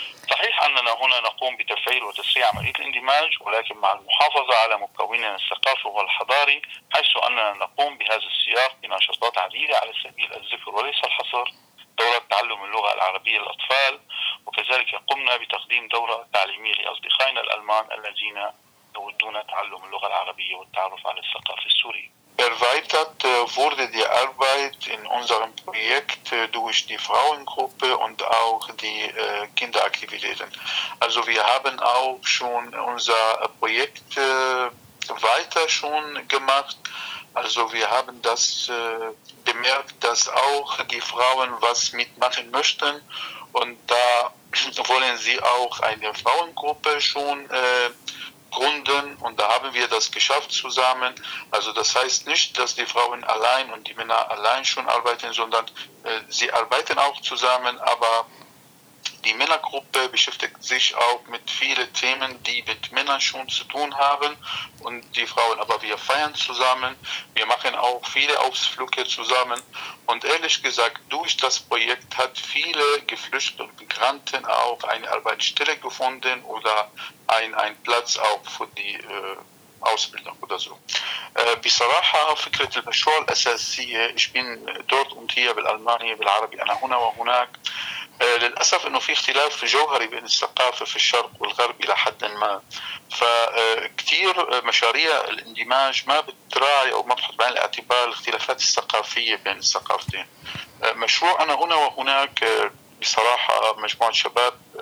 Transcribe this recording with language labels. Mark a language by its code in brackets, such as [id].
[ar] صحيح أننا هنا نقوم بتفعيل وتسريع عملية الاندماج، ولكن مع المحافظة على مكوننا الثقافي والحضاري، حيث أننا نقوم بهذا السياق بنشاطات عديدة على سبيل الذكر وليس الحصر، دورة تعلم اللغة العربية للأطفال، وكذلك قمنا بتقديم دورة تعليمية لأصدقائنا الألمان الذين يودون تعلم اللغة العربية والتعرف على الثقافة السورية. [de] Der erweitert wurde die Arbeit in unserem Projekt durch die Frauengruppe und auch die Kinderaktivitäten. Also wir haben auch schon unser Projekt weiter schon gemacht. Also wir haben das bemerkt, dass auch die Frauen was mitmachen möchten. Und da wollen sie auch eine Frauengruppe schon gründen. Und da haben wir das geschafft zusammen. Also das heißt nicht, dass die Frauen allein und die Männer allein schon arbeiten, sondern sie arbeiten auch zusammen. Aber die Männergruppe beschäftigt sich auch mit vielen Themen, die mit Männern schon zu tun haben. Und die Frauen, aber wir feiern zusammen. Wir machen auch viele Ausflüge zusammen. Und ehrlich gesagt, durch das Projekt hat viele Geflüchtete und Migranten auch eine Arbeitsstelle gefunden oder ein Platz auch für die Ausbildung oder so. [ar] بصراحة فكرة المشروع الأساسية إيش بين دورت أنت هي بالألماني بالعربي أنا هنا وهناك للأسف إنه في اختلاف جوهري بين الثقافة في الشرق والغرب إلى حد ما فكتير مشاريع الاندماج ما بتراعي أو ما بتحط بعين الاعتبار الاختلافات الثقافية بين الثقافتين مشروع أنا هنا وهناك بصراحة مجموعة شباب